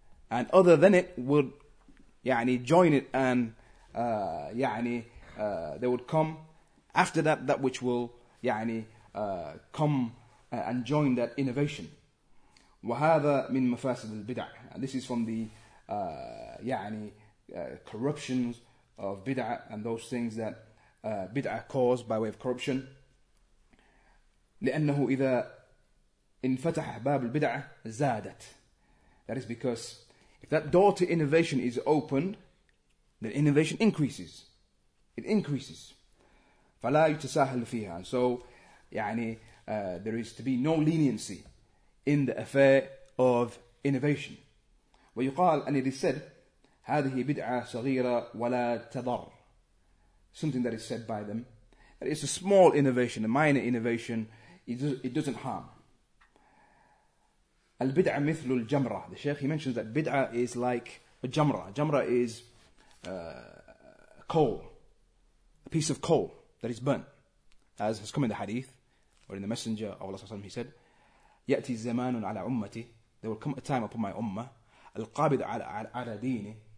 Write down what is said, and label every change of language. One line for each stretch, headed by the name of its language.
English: And other than it would يعني join it and يعني they would come after that which will يعني come and join that innovation.
Arabic: وهذا من مفاسد البدع.
English: And this is from the يعني corruptions of بدع and those things that بدع caused by way of corruption.
Arabic: لأنه إذا انفتح باب البدع زادت.
English: That is because if that door to innovation is opened, then innovation increases. It increases.
Arabic: فلا يتساهل فيها.
English: So, يعني, there is to be no leniency in the affair of innovation.
Arabic: ويقال,
English: and it is said,
Arabic: هذه بدعة صغيرة ولا تضر.
English: Something that is said by them. That it's a small innovation, a minor innovation. It doesn't harm.
Arabic: البدعة مثل الجمرة.
English: The Sheikh, he mentions that بدعة is like a جمرة. جمرة is coal, a piece of coal that is burnt, as has come in the hadith, or in the Messenger of Allah he said,
Arabic: يأتي الزمان على أمتي.
English: There will come a time upon my ummah,
Arabic: القابض على ديني.